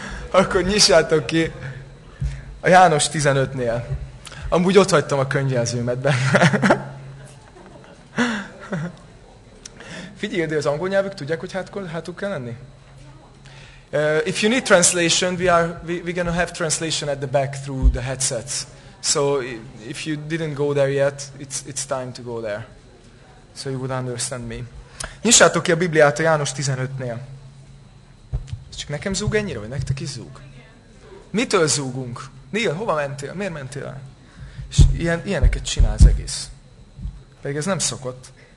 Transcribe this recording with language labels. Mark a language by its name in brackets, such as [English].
[Hungarian] Akkor nyissátok ki a János 15-nél. Amúgy ott hagytam a könyvjelzőmet benne. Figyelj, de az angol nyelvük tudják, hogy hátul kell lenni? [English] If you need translation, we're going to have translation at the back through the headsets. So if you didn't go there yet, it's time to go there. So you would understand me. [Hungarian] Nyissátok ki a Bibliát a János 15-nél. Ez csak nekem zúg ennyire, vagy nektek is zúg? Mitől zúgunk? Neil, hova mentél? Miért mentél el? És ilyeneket csinál az egész. Pedig ez nem szokott.